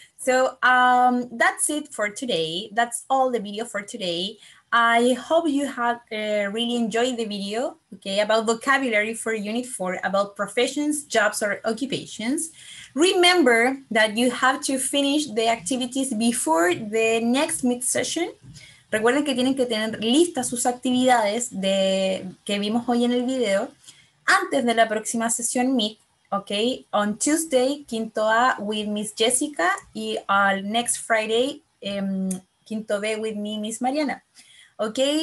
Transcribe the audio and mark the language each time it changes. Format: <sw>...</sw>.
<en>So that's it for today. That's all the video for today. I hope you have really enjoyed the video, okay, about vocabulary for Unit 4, about professions, jobs, or occupations. Remember that you have to finish the activities before the next mid session.</en> <es>Recuerden que tienen que tener listas sus actividades de, que vimos hoy en el video antes de la próxima sesión MIT, ok?</es> <en>On Tuesday,</en> <es>quinto A</es> <en>with Miss Jessica y on next Friday,</en> <es>quinto B</es> <en>with me, Miss Mariana. Ok,</en>